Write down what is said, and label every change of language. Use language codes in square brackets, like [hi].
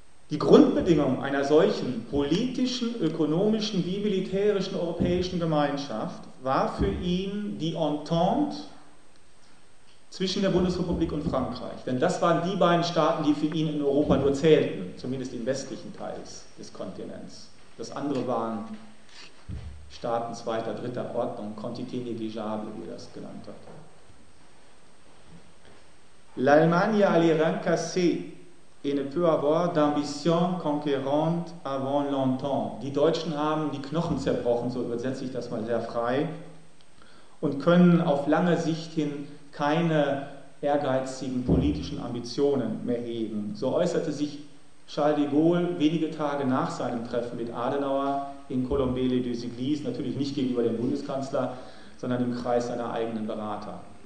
[de] Die Grundbedingung einer solchen politischen, ökonomischen wie militärischen europäischen Gemeinschaft war für ihn die Entente zwischen der Bundesrepublik und Frankreich. Denn das waren die beiden Staaten, die für ihn in Europa nur zählten, zumindest im westlichen Teil des Kontinents. Das andere waren Staaten zweiter, dritter Ordnung, Quantité négligeable, wie er das genannt hat. [fr] L'Allemagne à l'Iran cassé, Et ne peut avoir d'ambition conquérante avant longtemps. [de] Die Deutschen haben die Knochen zerbrochen, so übersetze ich das mal sehr frei, und können auf lange Sicht hin keine ehrgeizigen politischen Ambitionen mehr hegen. So äußerte sich Charles de Gaulle wenige Tage nach seinem Treffen mit Adenauer in Colombelles-du-Siglis, natürlich nicht gegenüber dem Bundeskanzler, sondern im Kreis seiner eigenen Berater.